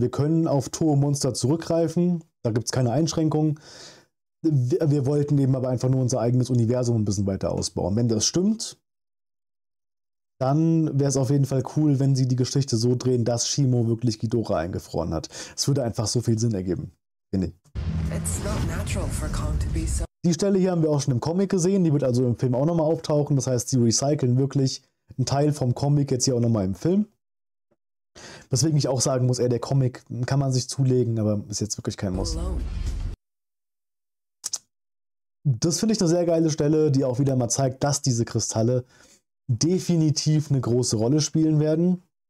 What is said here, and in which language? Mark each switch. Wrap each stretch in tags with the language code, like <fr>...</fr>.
<de>Wir können auf Toho-Monster zurückgreifen, da gibt es keine Einschränkungen. Wir wollten eben aber einfach nur unser eigenes Universum ein bisschen weiter ausbauen. Wenn das stimmt, dann wäre es auf jeden Fall cool, wenn sie die Geschichte so drehen, dass Shimo wirklich Ghidorah eingefroren hat. Es würde einfach so viel Sinn ergeben, finde ich.</de> <en>It's not natural for Kong to be so.</en> <de>Die Stelle hier haben wir auch schon im Comic gesehen, die wird also im Film auch nochmal auftauchen. Das heißt, sie recyceln wirklich einen Teil vom Comic jetzt hier auch nochmal im Film. Deswegen ich auch sagen muss, ey, der Comic kann man sich zulegen, aber ist jetzt wirklich kein Muss. Das finde ich eine sehr geile Stelle, die auch wieder mal zeigt, dass diese Kristalle definitiv eine große Rolle spielen werden.</de>